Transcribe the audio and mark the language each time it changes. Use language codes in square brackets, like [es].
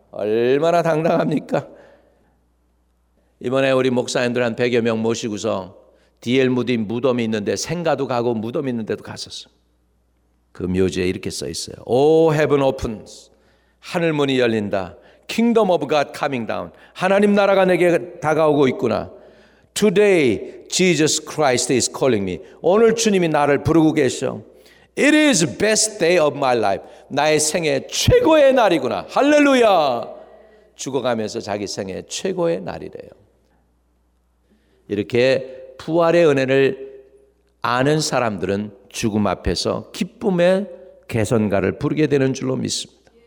[ko] 얼마나 당당합니까? 이번에 우리 목사님들 한 100여 명 모시고서 DL 무디 무덤이 있는데 생가도 가고 무덤이 있는데도 갔었어. 그 묘지에 이렇게 써 있어요. [en] Oh, heaven opens. [ko] 하늘문이 열린다. [en] Kingdom of God coming down. [ko] 하나님 나라가 내게 다가오고 있구나. [en] Today, Jesus Christ is calling me. [ko] 오늘 주님이 나를 부르고 계셔. [en] It is the best day of my life. [ko] 나의 생애 최고의 날이구나. 할렐루야! 죽어가면서 자기 생애 최고의 날이래요. 이렇게 부활의 은혜를 아는 사람들은 죽음 앞에서 기쁨의 개선가를 부르게 되는 줄로 믿습니다.